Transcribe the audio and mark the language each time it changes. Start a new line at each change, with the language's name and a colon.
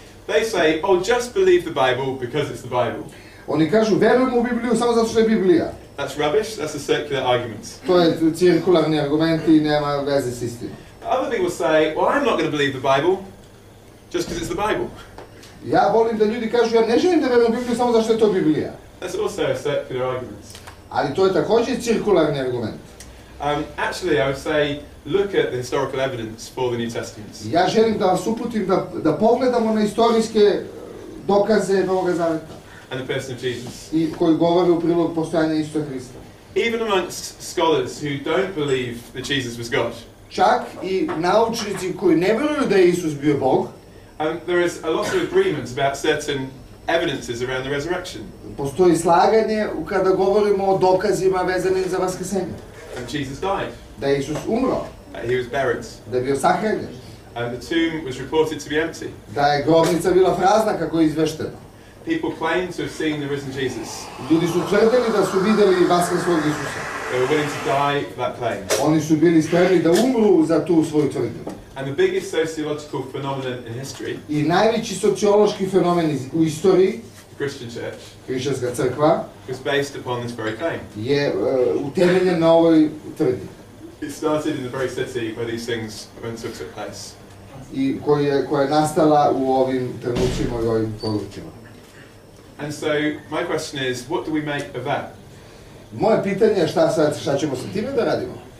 English: They say, oh, just believe the Bible because it's the Bible.
Serbian: Oni kažu, verujemo u Bibliju samo zato što je Biblija.
English: That's rubbish, that's a circular argument.
Serbian: To je cirkularni argument i nema veze s istinom.
English: Other people say, well, I'm not going to believe the Bible just because it's the Bible.
Serbian: Ja volim da ljudi kažu, ja ne želim da verujem u Bibliju samo zato što je to Biblija.
English: That's also a circular argument.
Serbian: Ali to je također cirkularni argument.
English: Actually, I would say, look at the historical evidence for the New Testament.
Serbian: Ja želim da vas uputim da pogledamo na historijske dokaze Novog Zaveta.
English: And the person of Jesus.
Serbian: I koji govori u prilog postojanja Isusa Hrista.
English: Even amongst scholars who don't believe that Jesus was God.
Serbian: čak i naučnici koji ne vjeruju da je Isus bio Bog.
English: And there is a lot of agreements about certain evidences around the resurrection.
Serbian: Postoji slaganje kada govorimo o dokazima vezanim za vaskrsenje.
English: And Jesus died.
Serbian: Da je Isus umro.
English: He was buried.
Serbian: Da je bio sahranjen.
English: And the tomb was reported to be empty.
Serbian: Da je grobnica bila prazna kako je izvešteno.
English: People claimed to have seen the risen Jesus.
Serbian: Ljudi su tvrdili da su videli vaskrsenog Isusa.
English: They were willing to die for that claim.
Serbian: Oni su bili spremni da umru za tu svoju tvrdnju.
English: And the biggest sociological phenomenon in history.
Serbian: I najveći sociološki fenomen u istoriji.
English: The Christian church.
Serbian: Kršćanska crkva.
English: Was based upon this very claim.
Serbian: Je utemeljen na ovoj tvrdnji.
English: It started in the very city where these things went to took place.
Serbian: I koja je nastala u ovim trenucima i ovim područjima.
English: And so my question is, what do we make of that?
Serbian: Moje pitanje je šta ćemo sa time da radimo?